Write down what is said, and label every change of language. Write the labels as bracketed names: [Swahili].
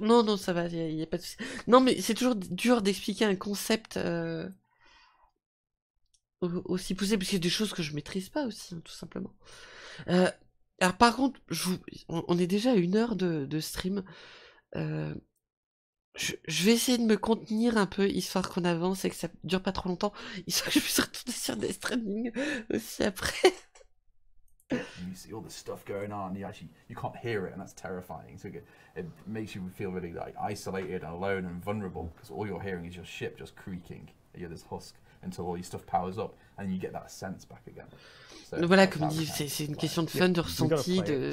[French] Non, non, ça va, il n'y a pas de souci. Non, mais c'est toujours dur d'expliquer un concept aussi poussé, parce qu'il y a des choses que je ne maîtrise pas aussi, hein, tout simplement. Alors par contre, on est déjà à une heure de stream. Je vais essayer de me contenir un peu, histoire qu'on avance et que ça ne dure pas trop longtemps, histoire que je puisse retourner sur des streamings aussi après. [English] You see all the stuff going on, and you can't hear it, and that's terrifying. So it makes you feel really like isolated, alone, and vulnerable, because all you're hearing is your ship just creaking. You know, this husk until all your stuff powers up, and you get that sense back again. [French] So, voilà, comme dit, c'est une question de fun, de ressenti, de.